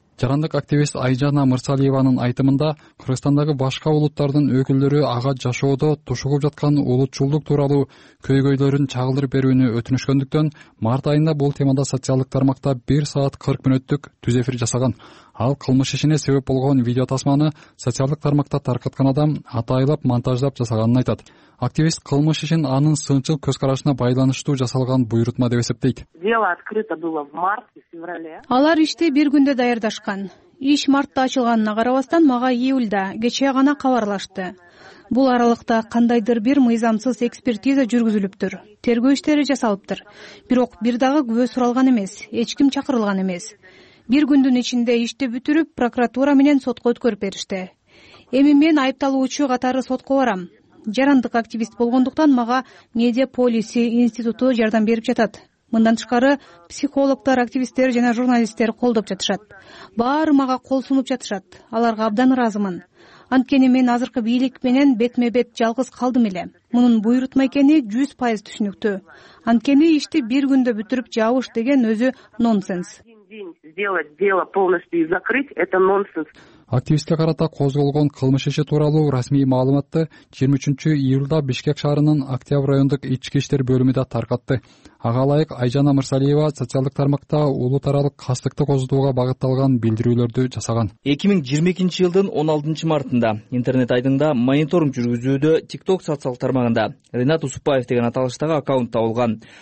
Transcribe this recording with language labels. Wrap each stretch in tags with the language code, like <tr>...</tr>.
<ky>Жарандык активист Айжана Мырсалиеванын айтымында Кыргызстандагы башка улуттардын өкүлдөрү ага жашоодо тушугуп жаткан улутчулдук тууралуу көйгөйлөрүн чагылдырып берүүнү өтүнүшкөндүктөн март айында бул темада социалдык тармакта 1 саат 40 мүнөттүк түз эфир жасаган. Ал кылмыш ишине себеп болгон видео тасманы социалдык тармакта таркыткан адам атайылап монтаждап жасаганын айтат. Активист кылмыш ишин анын сынчыл көз карашына байланыштуу жасалган буйрутма деп эсептейт.</ky> <ru>Дело открыто было в марте, феврале.</ru> <ky>Алар иште бир күндө даярдашкан. Иш мартта ачылганына карабастан мага июлда кечээ гана кабарлашты. Бул аралыкта кандайдыр бир мыйзамсыз экспертиза жүргүзүлүптүр. Тергөө иштери жасалыптыр. Бирок бир дагы күбө суралган эмес, эч ким чакырылган эмес. Бир күндүн ичинде ишти бүтүрүп, прокуратура менен сотко өткөрүп беришти. Эми мен айыпталуучу катары сотко барам. Жарандык активист болгондуктан мага медиа полиси институту жардам берип жатат. Мындан тышкары психологтор, активисттер жана журналисттер колдоп жатышат. Баары мага кол сунуп жатышат. Аларга абдан ыраазымын. Анткени мен азыркы бийлик менен бетме-бет жалгыз калдым эле. Мунун буйрутма экени 100% түшүнүктүү. Анткени ишти бир күндө бүтүрүп жабыш деген өзү нонсенс.</ky> <ru>Сделать дело полностью и закрыть это нонсенс.</ru> <ky>Активистке карата козголгон кылмыш иши тууралуу расмий маалыматты 23-июлда Бишкек шаарынын Октябрь райондук ички иштер бөлүмү да таркатты. Ага ылайык Айжана Мырсалиева социалдык тармакта улут аралык кастыкты козутууга багытталган билдирүүлөрдү жасаган. 2022-жылдын 16-мартында интернет айдыңда мониторинг жүргүзүүдө TikTok социалдык тармагында Ренат Усупаев деген аталыштагы аккаунт табылган.</ky>